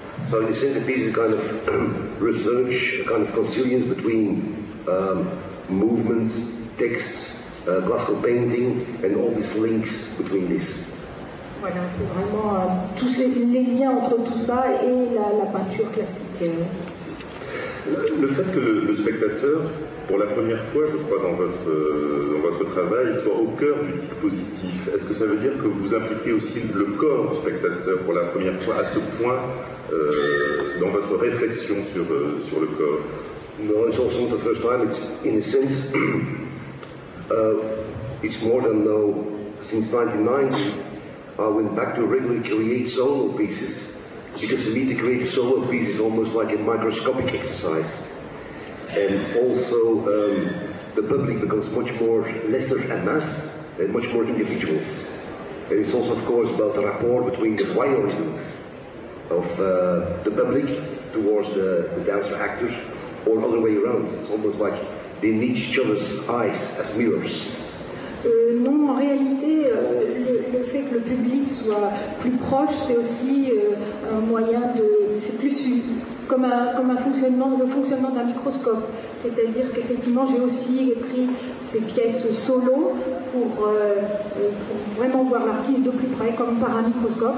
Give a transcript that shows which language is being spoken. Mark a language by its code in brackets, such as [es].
[en] So in the sense, the piece is a kind of research, a kind of consilience between movements, texts, classical painting, and all these links between this. [fr] Voilà, c'est vraiment tous les liens entre tout ça et la peinture classique. Le fait que le spectateur, pour la première fois, je crois, dans votre travail, soit au cœur du dispositif, est-ce que ça veut dire que vous impliquez aussi le corps du spectateur pour la première fois à ce point dans votre réflexion sur le corps? [en] Non, it's also not the first time. It's in a sense, it's more than now. Since 1990, I went back to regularly create solo pieces. Because for me to create a solo piece is almost like a microscopic exercise. And also, the public becomes much more lesser en masse and much more individuals. And it's also, of course, about the rapport between the voyeurism of the public towards the dancer actors, or other way around. It's almost like they need each other's eyes as mirrors. [fr] Non, en réalité, le fait que le public soit plus proche, c'est aussi un moyen de... C'est plus comme le fonctionnement d'un microscope. C'est-à-dire qu'effectivement, j'ai aussi écrit ces pièces solo pour vraiment voir l'artiste de plus près, comme par un microscope.